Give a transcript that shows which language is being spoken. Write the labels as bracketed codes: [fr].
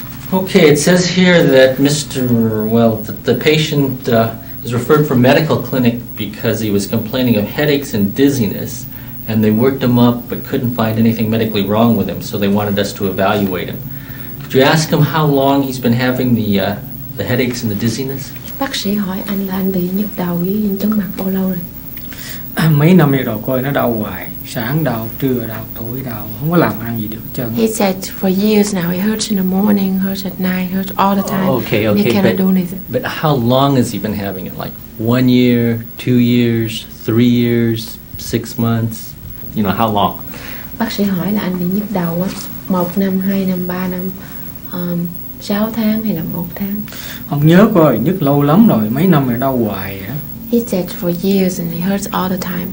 [en] Okay, it says here that the patient is referred for medical clinic because he was complaining of headaches and dizziness, and they worked him up but couldn't find anything medically wrong with him, so they wanted us to evaluate him. Could you ask him how long he's been having the headaches and the dizziness? [vi] Bác sĩ hỏi anh là anh bị nhức đầu với chóng mặt bao lâu rồi? Mấy năm nay rồi, coi nó đau hoài, sáng đau, trưa đau, tối đau, không có làm ăn gì được chừng. [en] He said for years now it hurts in the morning, hurts at night, hurts all the time. Okay, okay, he cannot but, do anything. But how long has he been having it? Like 1 year, 2 years, 3 years, 6 months? You know, how long? [vi] Bác sĩ hỏi là anh bị nhức đầu á, 1 năm, 2 năm, 3 năm, 6 tháng hay là 1 tháng? Không nhớ coi, nhức lâu lắm rồi, mấy năm rồi đau hoài á. [en] He said for years and he hurts all the time.